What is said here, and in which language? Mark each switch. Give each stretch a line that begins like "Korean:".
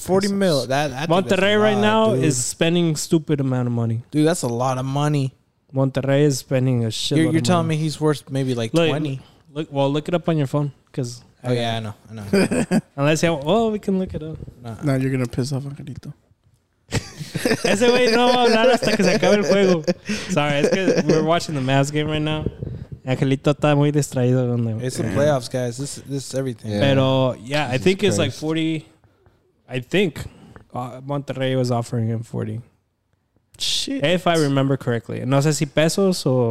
English: 40 mil. That Monterrey right now is spending stupid amount of money. Dude, that's a lot of money. Monterrey is spending a shitload. You're telling me he's worth maybe like 20. Look it up on your phone. Cause I know. Unless you have, we can look it up. No, you're going to piss off Angelito.
Spanish: Ese güey no va a hablar hasta que se acabe el juego.
English: Sorry,
Spanish: es que
English: we're watching the Mavs game right now.
Spanish: Angelito está muy distraído.
English: It's the playoffs, guys. This is everything. Yeah. Pero, yeah, Jesus, I think it's like 40. I think Monterrey was offering him 40. Shit. If I remember correctly.
Spanish: No sé si pesos o...